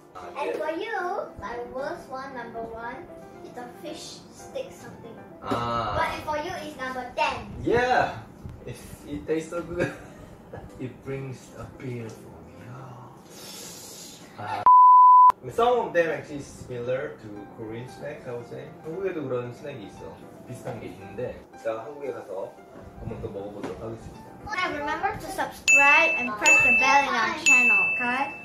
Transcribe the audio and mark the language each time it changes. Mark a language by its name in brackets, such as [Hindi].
[English] And yeah. For you, my worst one, number one, is a fish stick something. But for you, it's number 10. Yeah! It tastes so good. It brings a beer for me. Some of them actually similar to Korean snacks, I would say. [Korean] 한국에도 그런 스낵이 있어. 비슷한 게 있는데 제가 한국에 가서 한번 더 먹어보도록 하겠습니다. [English] And remember to subscribe and press the bell in our channel, okay?